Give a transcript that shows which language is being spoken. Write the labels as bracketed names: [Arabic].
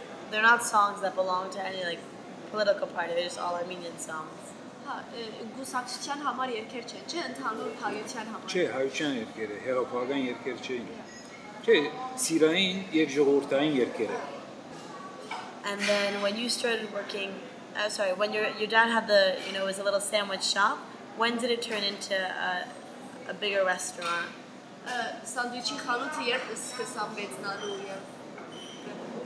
[English] They're not songs that belong to any like political party. They're just all Armenian songs. [Armenian] Գուսակցության համար երգեր չեն, չէ՞, ընդհանուր հայության համար։ Չէ, հայության երգեր է, հերոփական երգեր չեն։ Չէ, սիրային եւ ժողովրդային երգեր է։ [English] And then when you started working, when your dad had the, you know, it was a little sandwich shop, when did it turn into a bigger restaurant? [Armenian] Սանդվիչի խանութը երբ սկսավ մեծանալու եւ